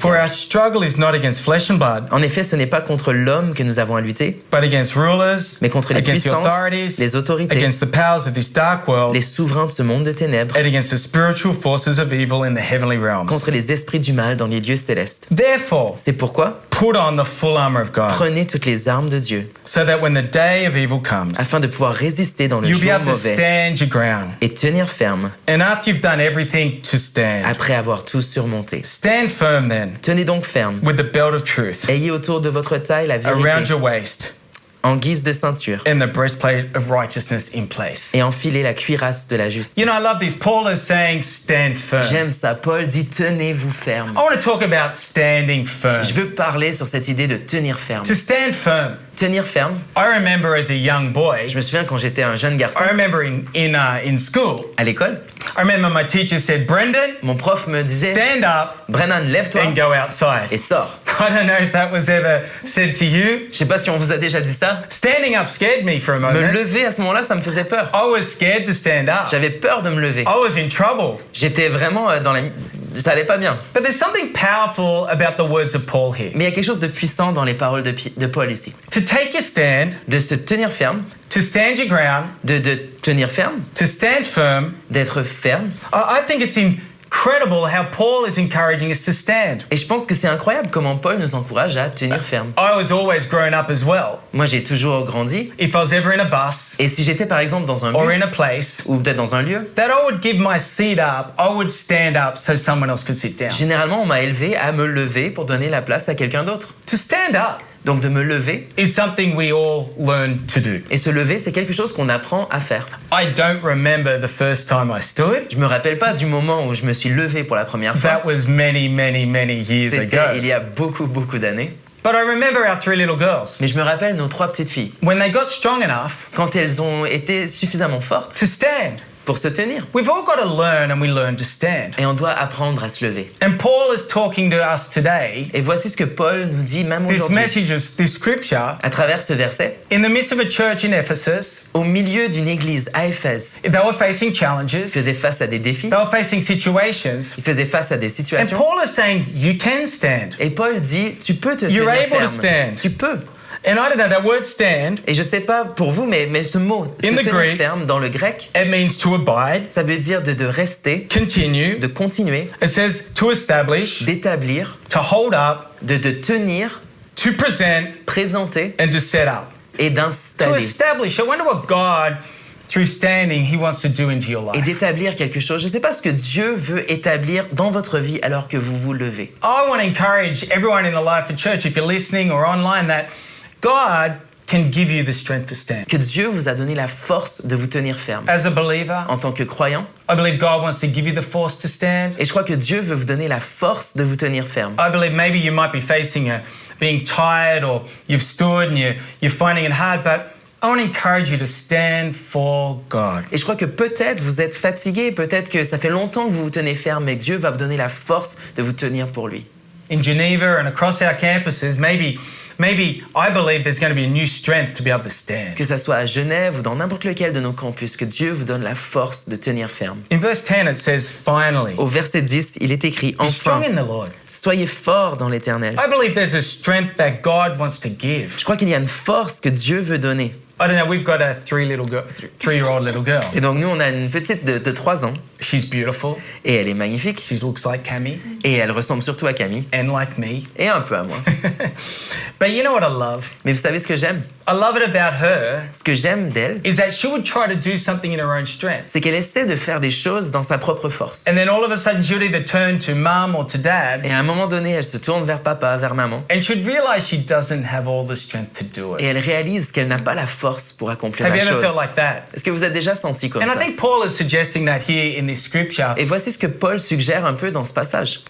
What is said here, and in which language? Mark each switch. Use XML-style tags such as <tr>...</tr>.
<en>For our struggle is not against flesh and blood,</en> <fr>en effet, ce n'est pas contre l'homme que nous avons à lutter,</fr> <en>but against rulers,</en> <fr>mais contre les</fr> <en>against</en> <fr>puissances,</fr> <en>the authorities,</en> <fr>les autorités,</fr> <en>against the powers of this dark world,</en> <fr>les souverains de ce monde de ténèbres,</fr> <en>and against the spiritual forces of evil in the heavenly realms.</en> <fr>Contre les esprits du mal dans les lieux célestes.</fr> <en>Therefore,</en> <fr>c'est pourquoi,</fr> <en>put on the full armor of God.</en> <fr>Prenez toutes les armes de Dieu.</fr> <en>So that when the day of evil comes,</en> <fr>afin de pouvoir résister dans le jour mauvais,</fr> <en>you'll be able to stand your ground.</en> <fr>Et tenir ferme.</fr> <en>And after you've done everything to stand,</en> <fr>après avoir tout surmonté,</fr> <en>stand firm then.</en> <fr>Tenez donc ferme.</fr> <en>With the belt of truth.</en> <fr>Ayez autour de votre taille la vérité.</fr> <en>Around your waist.</en> <fr>En guise de ceinture.</fr> <en>And the breastplate of righteousness in place.</en> <fr>Et enfiler la cuirasse de la justice.</fr> <en>You know, I love this. Paul is saying, stand firm.</en> <fr>J'aime ça. Paul dit, tenez-vous ferme.</fr> <en>I want to talk about standing firm.</en> <fr>Je veux parler sur cette idée de tenir ferme.</fr> <en>To stand firm.</en> <fr>Tenir ferme.</fr> <en>I remember as a young boy.</en> <fr>Je me souviens quand j'étais un jeune garçon.</fr> <en>I remember in school.</en> <fr>À l'école.</fr> <en>I remember my teacher said, Brendan.</en> <fr>Mon prof me disait,</fr> <en>stand up.</en> <fr>Brendan, lève-toi.</fr> <en>And go outside.</en> <fr>Et sors.</fr> <en>I don't know if that was ever said to you.</en> <fr>Je sais pas si on vous a déjà dit ça.</fr> <en>Standing up scared me for a moment.</en> <fr>Me lever à ce moment-là, ça me faisait peur.</fr> <en>I was scared to stand up.</en> <fr>J'avais peur de me lever.</fr> <en>I was in trouble.</en> <fr>J'étais vraiment dans la... Ça allait pas bien.</fr> <en>But there's something powerful about the words of Paul here.</en> <fr>Mais il y a quelque chose de puissant dans les paroles de Paul ici.</fr> <en>To take a stand.</en> <fr>De se tenir ferme.</fr> <en>To stand your ground.</en> <fr>De tenir ferme.</fr> <en>To stand firm.</en> <fr>D'être ferme.</fr> <en>I think it's in... incredible how Paul is encouraging us to stand.</en> <fr>Et je pense que c'est incroyable comment Paul nous encourage à tenir ferme.</fr> <en>I was always growing up as well.</en> <fr>Moi j'ai toujours grandi.</fr> <en>If I was ever in a bus.</en> <fr>Et si j'étais par exemple dans un bus.</fr> <en>Or in a place.</en> <fr>Ou peut-être dans un lieu.</fr> <en>That I would give my seat up. I would stand up so someone else could sit down.</en> <fr>Généralement on m'a élevé à me lever pour donner la place à quelqu'un d'autre.</fr> <en>To stand up.</en> <fr>Donc de me lever.</fr> <en>Is something we all learn to do.</en> <fr>Et se lever, c'est quelque chose qu'on apprend à faire.</fr> <en>I don't remember the first time I stood.</en> <fr>Je me rappelle pas du moment où je me suis levé pour la première fois.</fr> <en>That was many, many, many years</en> <fr>C'était</fr> <en>ago.</en> <fr>Il y a beaucoup, beaucoup d'années.</fr> <en>But I remember our three little girls.</en> <fr>Mais je me rappelle nos trois petites filles.</fr> <en>When they got strong enough.</en> <fr>Quand elles ont été suffisamment fortes.</fr> <en>To stand.</en> <fr>Pour se tenir.</fr> <en>We've all got to learn and we learn to stand.</en> <fr>Et on doit apprendre à se lever.</fr> <en>And Paul is talking to us today.</en> <fr>Et voici ce que Paul nous dit même aujourd'hui.</fr> <en>This message, this scripture,</en> <fr>à travers ce verset.</fr> <en>In the midst of a church in Ephesus,</en> <fr>au milieu d'une église à Éphèse.</fr> <en>They were facing challenges.</en> <fr>Ils faisaient face à des défis.</fr> <en>They were facing situations.</en> <fr>Ils faisaient face à des situations.</fr> <en>And Paul is saying you can stand.</en> <fr>Et Paul dit tu peux te tenir.</fr> <en>You're able</en> <fr>ferme.</fr> <en>To stand.</en> <fr>Tu peux.</fr> <en>And I don't know that word stand.</en> <fr>Et je sais pas pour vous, mais ce mot, se tenir</fr> <en>Greek,</en> <fr>ferme dans le grec,</fr> <en>it means to abide.</en> <fr>Ça veut dire de rester.</fr> <en>Continue.</en> <fr>De continuer.</fr> <en>It says to establish.</en> <fr>D'établir.</fr> <en>To hold up.</en> <fr>De tenir.</fr> <en>To present.</en> <fr>Présenter.</fr> <en>And to set up.</en> <fr>Et d'installer.</fr> <en>To establish. I wonder what God. Through standing, he wants to do into your life.</en> <fr>Et d'établir quelque chose. Je ne sais pas ce que Dieu veut établir dans votre vie alors que vous vous levez.</fr> <en>I want to encourage everyone in the life of church, if you're listening or online, that God can give you the strength to stand.</en> <fr>Que Dieu vous a donné la force de vous tenir ferme.</fr> <en>As a believer,</en> <fr>en tant que croyant,</fr> <en>I believe God wants to give you the force to stand.</en> <fr>Et je crois que Dieu veut vous donner la force de vous tenir ferme.</fr> <en>I believe maybe you might be facing a being tired or you've stood and you're finding it hard, but I want to encourage you to stand for God.</en> <fr>Et je crois que peut-être vous êtes fatigué, peut-être que ça fait longtemps que vous vous tenez ferme, mais Dieu va vous donner la force de vous tenir pour lui.</fr> <en>In Geneva and across our campuses, maybe I believe there's going to be a new strength to be able to stand.</en> <fr>Que ça soit à Genève ou dans n'importe lequel de nos campus, que Dieu vous donne la force de tenir ferme.</fr> <en>In verse 10, it says, finally.</en> <fr>Au verset 10, il est écrit, enfin.</fr> <en>Be strong in the Lord.</en> <fr>Soyez fort dans l'Éternel.</fr> <en>I believe there's a strength that God wants to give.</en> <fr>Je crois qu'il y a une force que Dieu veut donner.</fr> <en>I don't know, we've got a three-year-old little girl.</en> <fr>Et donc nous, on a une petite de 3 ans.</fr> <en>She's beautiful.</en> <fr>Et elle est magnifique.</fr> <en>She looks like Camille.</en> <fr>Et elle ressemble surtout à Camille.</fr> <en>And like me.</en> <fr>Et un peu à moi.</fr> <en>But you know what I love?</en> <fr>Mais vous savez ce que j'aime?</fr> <en>I love it about her.</en> <fr>Ce que j'aime d'elle.</fr> <en>Is that she would try to do something in her own strength.</en> <fr>C'est qu'elle essaie de faire des choses dans sa propre force.</fr> <en>And then all of a sudden she would either turn to mom or to dad.</en> <fr>Et à un moment donné, elle se tourne vers papa, vers maman.</fr> <en>And she'd realize she doesn't have all the strength to do it.</en> <fr>Et elle réalise qu'elle n'a pas la force force pour accomplir</fr> <en>Have</en> <fr>la chose.</fr> <en>Felt like that?</en> <fr>Est-ce que vous avez déjà senti comme</fr> <en>And</en> <fr>ça?</fr> <en>I think Paul is suggesting that here in this scripture.</en> <fr>Et voici ce que Paul suggère un peu dans ce passage.</fr>